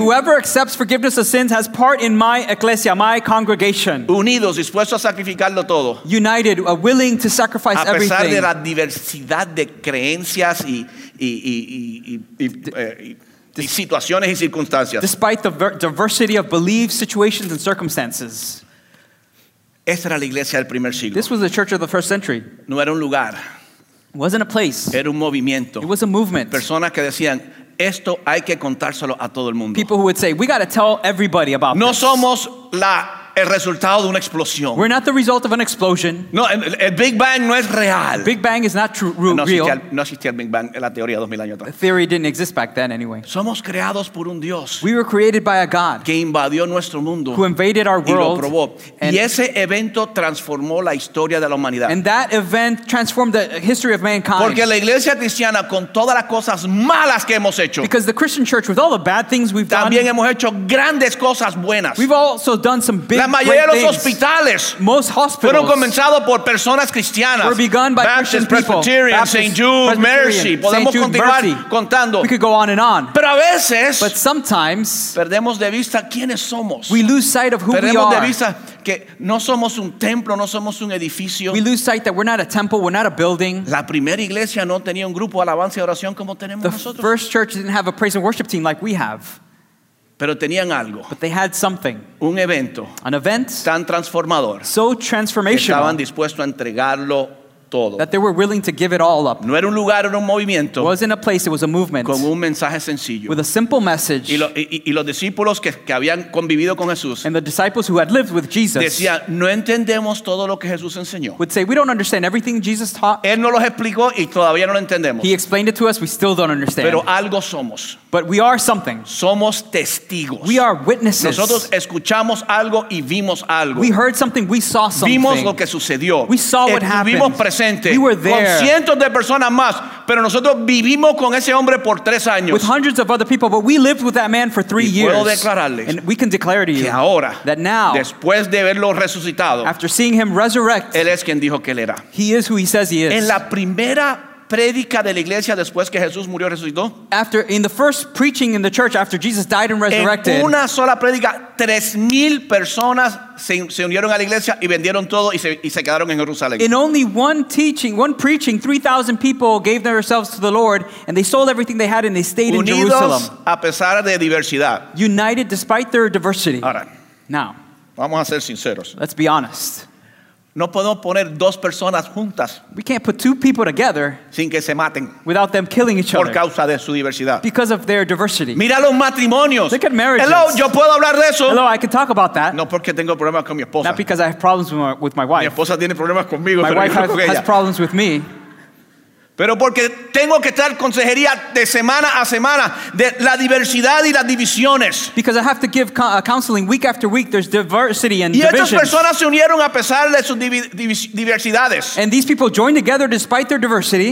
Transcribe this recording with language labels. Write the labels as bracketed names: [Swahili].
[English] That whoever accepts forgiveness of sins has part in my ecclesia, my congregation. [Spanish] Unidos, dispuestos a sacrificarlo todo. [English] United, willing to sacrifice everything. [Spanish] A pesar de la diversidad de creencias y situaciones y circunstancias. [English] Despite the diversity of beliefs, situations, and circumstances. [Spanish] Esta era la iglesia del primer siglo. [English] This was the church of the first century. [Spanish] No era un lugar. [English] It wasn't a place. [Spanish] Era un movimiento. [English] It was a movement. [Spanish] Personas que decían, esto hay que contárselo a todo el mundo. [English] People who would say, we got to tell everybody about [Spanish] no [English] this. [Spanish] No somos el resultado de una explosión. [English] We're not the result of an explosion. [Spanish] No, el Big Bang no es real. [English] Big Bang is not real. [Spanish] No existía el Big Bang, la teoría 2000 años atrás. [English] The theory didn't exist back then anyway. [Spanish] Somos creados por un Dios. [English] We were created by a God. [Spanish] Que invadió nuestro mundo. [English] Who invaded our world. [Spanish] Y lo probó. Y ese evento transformó la historia de la humanidad. [English] And that event transformed the history of mankind. [Spanish] Porque la iglesia cristiana con todas las cosas malas que hemos hecho. [English] Because the Christian church with all the bad things we've [Spanish] también [English] done. [Spanish] También hemos hecho grandes cosas buenas. [English] We've also done some big [Spanish] la mayoría de los hospitales [English] most hospitals [Spanish] fueron comenzados por personas cristianas. [English] Were begun by Baptist, Christian people. Presbyterian, St. Jude, Mercy. [Spanish] Podemos continuar contando. [English] We could go on and on. [Spanish] Pero a veces [English] but sometimes [Spanish] perdemos de vista quiénes somos. [English] We lose sight of who [Spanish] perdemos [English] we are. [Spanish] Perdemos de vista que no somos un templo, no somos un edificio. [English] We lose sight that we're not a temple, we're not a building. [Spanish] La primera iglesia no tenía un grupo de alabanza y oración como tenemos [English] the [Spanish] nosotros. [English] The first church didn't have a praise and worship team like we have. [Spanish] Pero tenían algo. [English] But they had something. [Spanish] Un evento. [English] An event. [Spanish] Tan transformador. [English] So transformational. [Spanish] Estaban dispuestos a entregarlo todo. [English] That they were willing to give it all up. [Spanish] No era un lugar, era un movimiento. [English] It wasn't a place, it was a movement. [Spanish] Con un mensaje sencillo. [English] With a simple message. [Spanish] Y los discípulos que habían convivido con Jesús. [English] And the disciples who had lived with Jesus. [Spanish] Decían, no entendemos todo lo que Jesús enseñó. [English] Would say, we don't understand everything Jesus taught. [Spanish] Él nos lo explicó y todavía no lo entendemos. [English] He explained it to us, we still don't understand. [Spanish] Pero algo somos. [English] But we are something. [Spanish] Somos testigos. [English] We are witnesses. [Spanish] Nosotros escuchamos algo y vimos algo. [English] We heard something, we saw something. [Spanish] Vimos lo que sucedió. [English] We saw what happened. We were there. [Spanish] Con cientos de personas más, pero nosotros vivimos con ese hombre por tres años. [English] With hundreds of other people, but we lived with that man for 3 years. [Spanish] Y puedo declararles. [English] And we can declare to you. [Spanish] Que ahora. [English] That now. [Spanish] Después de verlo resucitado. [English] After seeing him resurrect. [Spanish] Él es quien dijo que él era. [English] He is who he says he is. [Spanish] En la primera predica de la iglesia después que Jesús murió y resucitó. [English] After in the first preaching in the church after Jesus died and resurrected. [Spanish] En una sola predica 3,000 personas se unieron a la iglesia y vendieron todo y se quedaron en Jerusalén. [English] In only one teaching, one preaching, 3,000 people gave themselves to the Lord and they sold everything they had and they stayed [Spanish] unidos [English] in Jerusalem. [Spanish] Unidos a pesar de diversidad. [English] United despite their diversity. [Spanish] Ahora, [English] now, [Spanish] vamos a ser sinceros. [English] Let's be honest. [Spanish] No podemos poner dos personas juntas. [English] We can't put two people together [Spanish] sin que se maten. [English] Without them killing each other. [Spanish] Por causa de su diversidad. [English] Because of their diversity. [Spanish] Mira los matrimonios. [English] Look at marriages. [Spanish] Hello, yo puedo hablar de eso. [English] Hello, I can talk about that. [Spanish] No porque tengo problemas con mi esposa. [English] Not because I have problems with my wife. [Spanish] Mi esposa tiene problemas conmigo. [English] My wife has problems with me. [Spanish] Pero porque tengo que estar consejería de semana a semana de la diversidad y las divisiones. [English] Because I have to give counseling week after week. There's diversity and [Spanish] divisions. Y estas personas se unieron a pesar de sus diversidades. [English] And these people joined together despite their diversity.